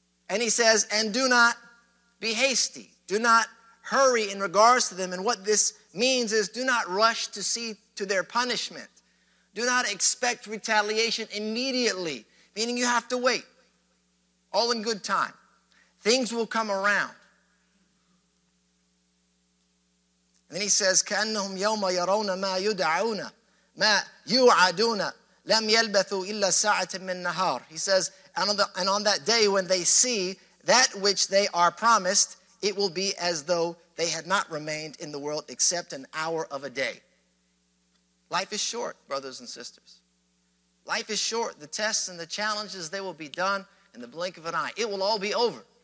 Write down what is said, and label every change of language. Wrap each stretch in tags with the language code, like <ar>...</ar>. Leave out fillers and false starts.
<en>And he says, and do not be hasty. Do not hurry in regards to them. And what this means is, do not rush to see to their punishment. Do not expect retaliation immediately, meaning you have to wait, all in good time. Things will come around. And then he says,</en> <ar>كَأَنَّهُمْ يَوْمَ يَرَوْنَ مَا يُدْعَوْنَ مَا يُعَدُونَ لَمْ يَلْبَثُوا إِلَّا سَاعَةً مِّن نَهَارٍ.</ar> <en>He says, and on that day when they see that which they are promised, it will be as though they had not remained in the world except an hour of a day. Life is short, brothers and sisters. Life is short. The tests and the challenges, they will be done in the blink of an eye. It will all be over.</en>